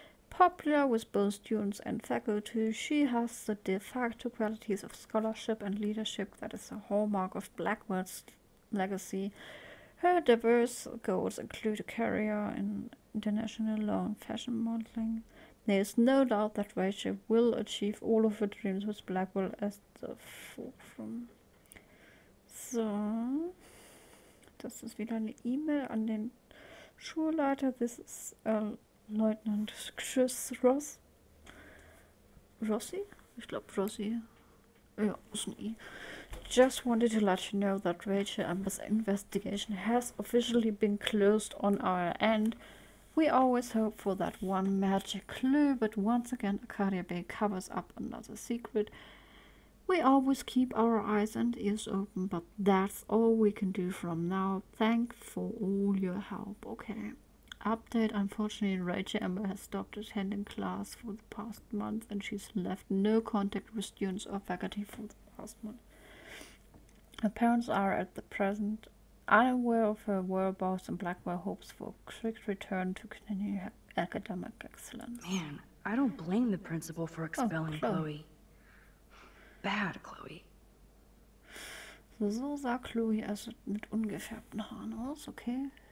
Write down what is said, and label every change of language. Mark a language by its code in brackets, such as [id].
[en] Popular with both students and faculty, she has the de facto qualities of scholarship and leadership that is a hallmark of Blackwell's legacy. Her diverse goals include a career in international law and fashion modeling. There is no doubt that Rachel will achieve all of her dreams with Blackwell as the fulcrum. [de] So, das ist wieder eine E-Mail an den Schulleiter. [en] This is Leutnant Chris Ross. [de] Rossi? Ich glaube Rossi. Ja, ist ein E. [en] Just wanted to let you know that Rachel Amber's investigation has officially been closed on our end. We always hope for that one magic clue, but once again, Arcadia Bay covers up another secret. We always keep our eyes and ears open, but that's all we can do from now. Thanks for all your help. Okay. Update. Unfortunately, Rachel Amber has stopped attending class for the past month, and she's left no contact with students or faculty for the past month. Her parents are at the present unaware of her whereabouts, and Blackwell hopes for a quick return to continue academic excellence. Man, I don't blame the principal for expelling Chloe. Bad Chloe. [de] So sah Chloe also mit ungefärbten Haaren aus, okay.